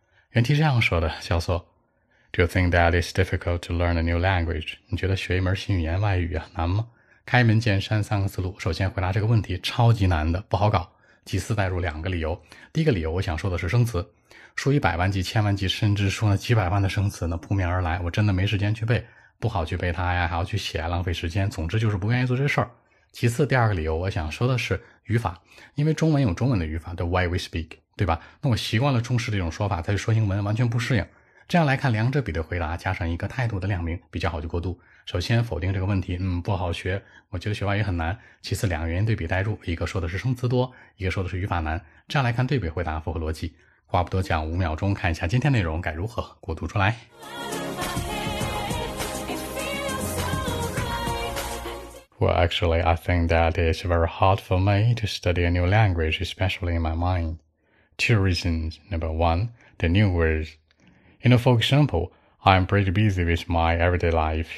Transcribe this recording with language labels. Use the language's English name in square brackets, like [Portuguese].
[Chinese] 原题是这样说的，叫做 [English] Do you think that it's difficult to learn a new language? [Chinese] 你觉得学一门新语言外语难吗？开门见山三个思路。首先回答这个问题，超级难的，不好搞。其次带入两个理由。第一个理由，我想说的是生词。数以百万计、千万计，甚至数那几百万的生词呢，扑面而来，我真的没时间去背。不好去背它呀，还要去写，浪费时间。总之就是不愿意做这事儿。其次，第二个理由，我想说的是语法，因为中文有中文的语法 ， [English] the way we speak， [Chinese] 对吧？那我习惯了中式这种说法，再去说英文，完全不适应。这样来看，两者比的回答加上一个态度的亮明，比较好去过渡。首先否定这个问题，不好学，我觉得学外语很难。其次，两个原因对比带入，一个说的是生词多，一个说的是语法难。这样来看，对比回答符合逻辑。话不多讲，五秒钟看一下今天内容该如何过渡出来。 [English] Well, actually, I think that it's very hard for me to study a new language, especially in my mind. Two reasons. Number one, the new words. You know, for example, I'm pretty busy with my everyday life.